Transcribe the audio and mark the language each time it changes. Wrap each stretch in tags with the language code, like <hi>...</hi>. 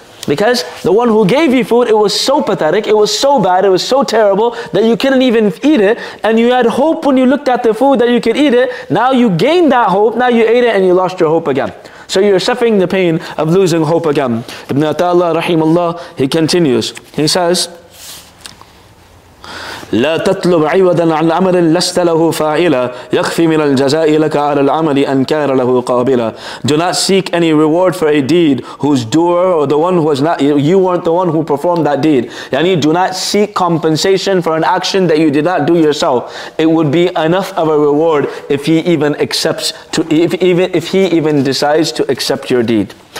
<en>Because the one who gave you food, it was so pathetic, it was so bad, it was so terrible, that you couldn't even eat it, and you had hope when you looked at the food that you could eat it. Now you gained that hope, now you ate it and you lost your hope again. So you're suffering the pain of losing hope again. Ibn Ata'allah rahimullah, he continues. He says,</en> <ar>لا تطلب عوضا عن عمل لست له فاعلا يخفي من الجزاء لك على العمل أن كان له قابلا.</ar> <en>Do not seek any reward for a deed whose doer or the one who was not, you weren't the one who performed that deed. يعني do not seek compensation for an action that you did not do yourself. It would be enough of a reward if he even decides to accept your deed.</en>